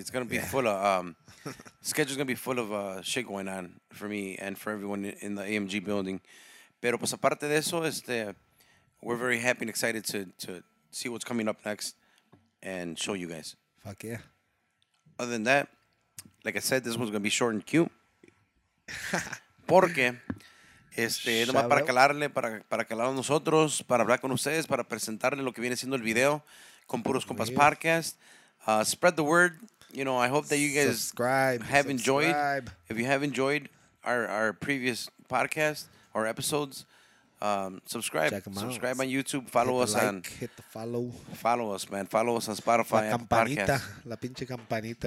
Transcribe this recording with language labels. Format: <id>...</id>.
<en>Full of schedule's gonna be full of shit going on for me and for everyone in the AMG building. Pero pues aparte de eso, we're very happy and excited to see what's coming up next and show you guys. Fuck yeah! Other than that, like I said, this one's gonna be short and cute.</en> <es>Porque nomás para calarle, para calar a nosotros, para hablar con ustedes, para presentarle lo que viene siendo el video con Puros Compas Podcast.</es> <en>Spread the word. You know, I hope that you guys enjoyed. If you have enjoyed our previous podcast or episodes, subscribe. Check them out. Subscribe on YouTube. Follow hit us like, on. Hit the follow. Follow us, man. Follow us on Spotify.</en> <es>La campanita. Podcast. La pinche campanita.</es>